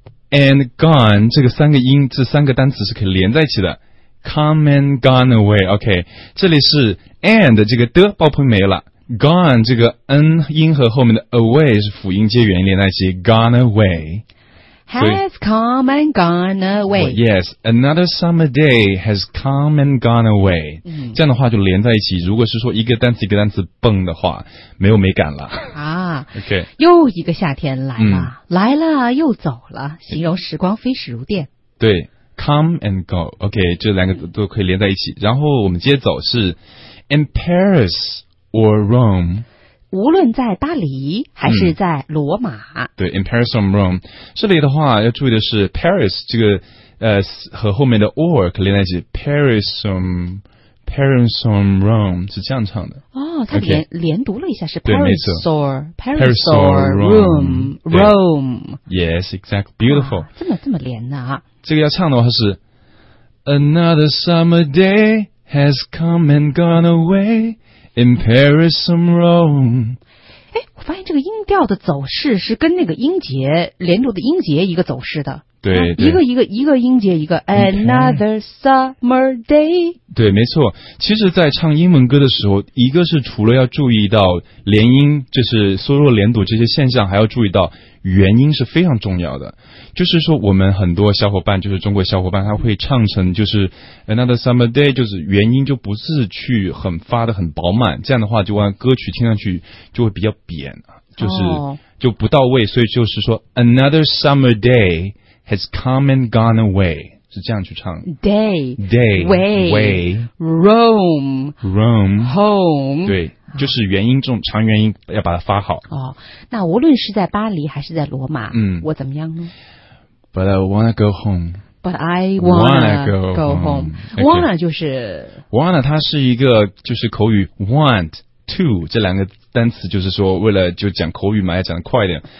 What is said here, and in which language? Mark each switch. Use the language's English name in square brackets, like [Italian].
[English] And gone [Chinese] 这个三个音，这三个单词是可以连在一起的。 [English] Come and gone away， [Chinese] OK， 这里是 and 这个的爆破没了 ，gone 这个 n 音和后面的 away 是辅音接元连在一起 ， [English] gone away。 Has come and gone away.、 Oh, yes, another summer day has come and gone away.、嗯、 [Chinese] 这样的话就连在一起。如果是说一个单词一个单词蹦的话，没有美感了啊。 [English] OK， [Chinese] 又一个夏天来了，嗯、来了又走了，形容时光飞逝如电。对， come and go， OK， 这两个都可以连在一起。然后我们接走是 [English] in Paris or Rome， [Chinese] 无论在巴黎还是在罗马，对， [English] in Paris or Rome。 [Chinese] 这里的话要注意的是 Paris 这个和后面的 or 可连在一起， Paris or Rome，Paris or Rome 是这样唱的哦，他 [English] okay， [Chinese] 连读了一下是 Paris or [English] Paris or Rome Rome， Yes exactly beautiful， [Chinese] 啊，这么连的啊。这个要唱的话是 [English] Another summer day has come and gone away in Paris or Rome。 [Chinese] 哎，我发现这个音调的走势是跟那个音节连读的音节一个走势的。对， 对，一个音节一个 [English] another summer day。 [Chinese] 对，没错。其实，在唱英文歌的时候，一个是除了要注意到连音，就是缩弱连读这些现象，还要注意到元音是非常重要的。就是说，我们很多小伙伴，就是中国小伙伴，他会唱成就是 [English] another summer day， [Chinese] 就是元音就不是去很发的很饱满，这样的话就让歌曲听上去就会比较扁，就是就不到位。所以就是说 [English] another summer day。 Has come and gone away， [Chinese] 是这样去唱。 [English] Day way way Rome home， [Chinese] 对，就是元音这种长元音要把它发好。哦，那无论是在巴黎还是在罗马，嗯，我怎么样呢 [English] ？But I wanna go home。 But I wanna go home。 Okay. Wanna 就是 [Chinese] wanna， 它是一个就是口语 want to 这两个单词，就是说为了就讲口语嘛，要讲得快一点。